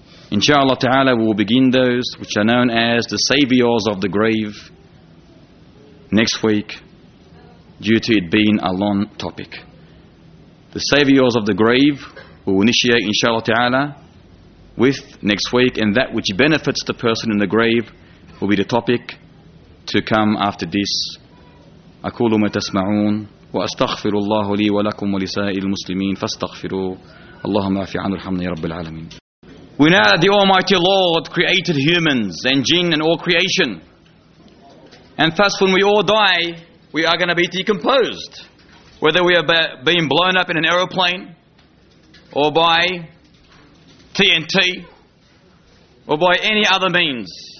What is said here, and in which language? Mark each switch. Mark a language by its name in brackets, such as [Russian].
[English] Inshallah Ta'ala, we will begin those which are known as the saviors of the grave next week, due to it being a long topic. The saviors of the grave we will initiate inshallah Ta'ala with next week, and that which benefits the person in the grave will be the topic to come after this. [Arabic] أقول ما تسمعون وأستغفر الله لي ولكم ولسائر المسلمين فاستغفروا اللهم اعف عنا ارحمنا يا رب العالمين. [English] We know that the Almighty Lord created humans and jinn and all creation. And thus when we all die, we are going to be decomposed. Whether we are being blown up in an aeroplane, or by TNT, or by any other means.